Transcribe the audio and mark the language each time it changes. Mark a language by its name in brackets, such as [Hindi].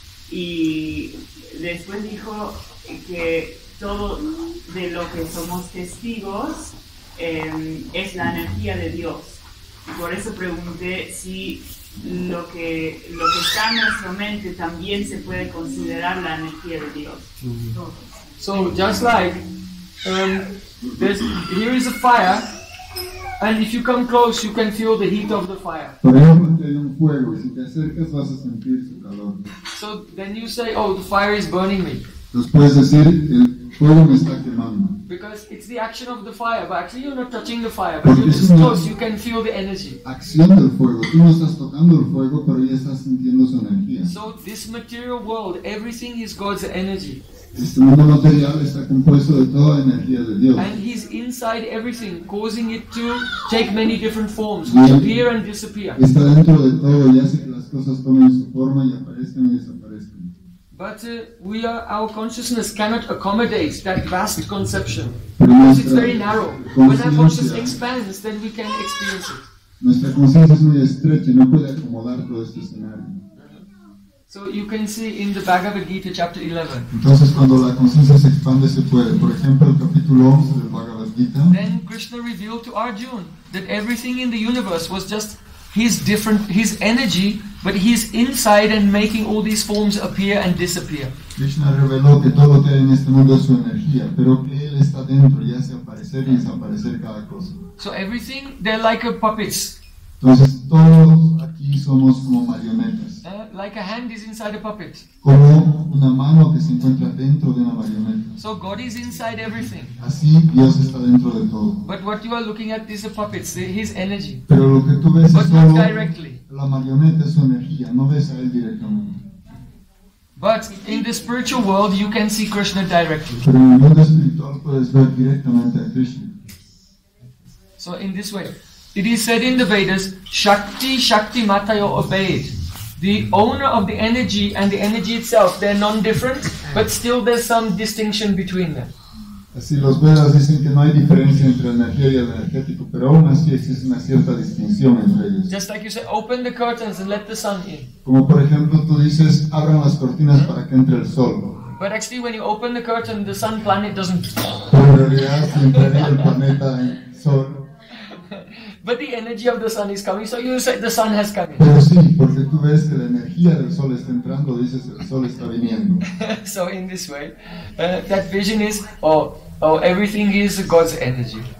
[Spanish] Y después dijo que todo de lo que somos testigos es la energía de Dios. Y por eso pregunté si lo que está en nuestra mente también se puede considerar la energía de Dios. [English] So just like here is a fire, and if you come close, you can feel the heat of the fire. So then you say, oh, the fire is burning me. Because it's the action of the fire, but actually you're not touching the fire, but you're just close, you can feel the energy. So this material world, everything is God's energy. [Spanish] Este mundo material está compuesto de toda la energía de Dios. [English] And he's inside everything, causing it to take many different forms, which appear and disappear. [Spanish] Está dentro de todo y hace que las cosas tomen su forma y aparezcan y desaparezcan. [English] But our consciousness cannot accommodate that vast conception. Because it's very narrow. When our consciousness expands, then we can experience it. [Spanish] Nuestra conciencia es muy estrecha y no puede acomodar todo este escenario. [English] So you can see in the Bhagavad Gita chapter 11. [Spanish] Entonces cuando la conciencia se expande se puede, por ejemplo, el capítulo 11 del Bhagavad Gita. [English] Then Krishna revealed to Arjuna that everything in the universe was just his energy, but he's inside and making all these forms appear and disappear. [Spanish] Krishna reveló que todo que hay en este mundo es su energía, pero que él está dentro y hace aparecer y desaparecer cada cosa. [English] So everything, they're like a puppets. [Spanish] Entonces todos aquí somos como marionetas. [English] Like a hand is inside a puppet. [Spanish] Como una mano que se encuentra dentro de una marioneta. [English] So God is inside everything. [Spanish] Así Dios está dentro de todo. [English] But what you are looking at is a puppet, his energy. [Spanish] Pero lo que tú ves [English] but [Spanish] es solo [English] directly. [Spanish] La marioneta es su energía, no ves a él directamente. [English] But in the spiritual world, you can see Krishna directly. [Spanish] Pero en el mundo espiritual puedes ver directamente a Krishna. [English] So in this way, it is said in the Vedas, Shakti, Shakti Matayo obeyed. The owner of the energy and the energy itself, they're non-different, but still there's some distinction between them. [Spanish] Así los Vedas dicen que no hay diferencia entre energía y el energético, pero aún así existe una cierta distinción entre ellos. [English] Just like you say, open the curtains and let the sun in. [Spanish] Como por ejemplo tú dices, abran las cortinas para que entre el sol. [English] But actually when you open the curtain, the sun planet doesn't... [Spanish] Pero en realidad se entra el planeta en sol. [English] But the energy of the sun is coming, so you say the sun has come. [Spanish] Pero sí, porque tú ves que la energía del sol está entrando, dices el sol está viniendo. [English] So in this way, that vision is, oh, everything is God's energy.